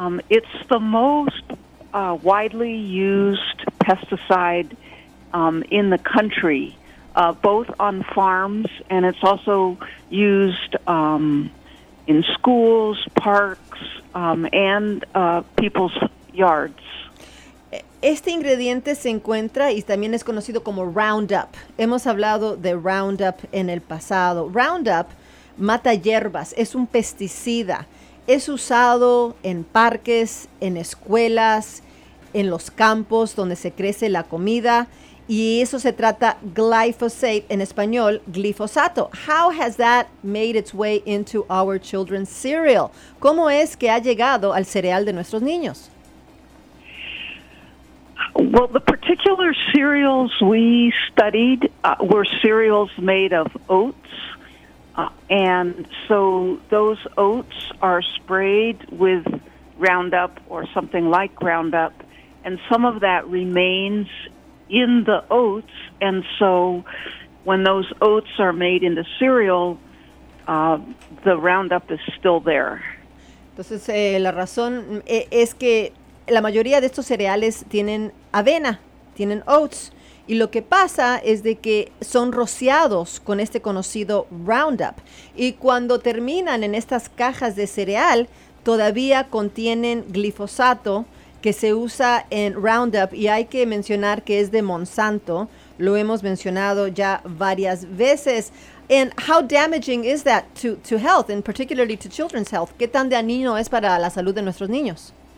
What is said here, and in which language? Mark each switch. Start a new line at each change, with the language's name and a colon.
English: It's the most widely used pesticide in the country, both on farms, and it's also used in schools, parks, and people's yards.
Spanish: Este ingrediente se encuentra y también es conocido como Roundup. Hemos hablado de Roundup en el pasado. Roundup mata hierbas, es un pesticida. Es usado en parques, en escuelas, en los campos donde se crece la comida. Y eso se trata glyphosate, en español, glifosato.
English: How has that made its way into our children's cereal?
Spanish: ¿Cómo es que ha llegado al cereal de nuestros niños?
English: Well, the particular cereals we studied were cereals made of oats. And so those oats are sprayed with Roundup or something like Roundup, and some of that remains in the oats, and so when those oats are made into cereal, the Roundup is still there.
Spanish: Entonces, la razón es que la mayoría de estos cereales tienen avena, tienen oats, y lo que pasa es de que son rociados con este conocido Roundup, y cuando terminan en estas cajas de cereal, todavía contienen glifosato, que se usa en Roundup, y hay que mencionar que es de Monsanto. Lo hemos mencionado ya varias veces.
English: And how damaging is that to health, and particularly to children's health?
Spanish: ¿Qué tan dañino es para la salud de nuestros niños?